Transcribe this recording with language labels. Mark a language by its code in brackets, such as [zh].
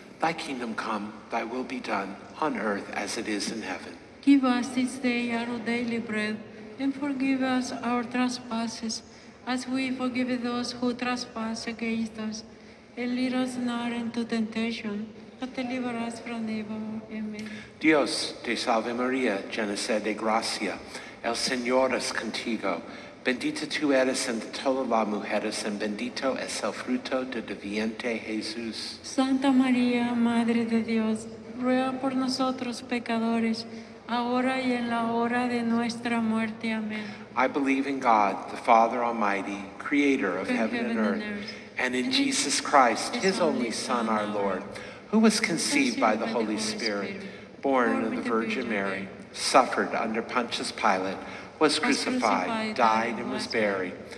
[en] Thy kingdom come, thy will be done, on earth as it is in heaven. Give us this day our daily bread, and forgive us our trespasses, as we forgive those who trespass against us. And lead us not into temptation, but deliver us from evil. Amen. [es] Dios te salve Maria, llena eres de gracia, el Señor es contigo. Bendita tú eres entre todas las mujeres, y bendito es el fruto de tu vientre, Jesús. Santa María, Madre de Dios, ruega por nosotros pecadores, ahora y en la hora de nuestra muerte. Amén. [en] I believe in God, the Father Almighty, creator of heaven and earth, and in Jesus Christ, his only Son, our Lord, who was conceived by the Holy Spirit, born of the Virgin Mary, suffered under Pontius Pilate, was crucified, died, and was buried.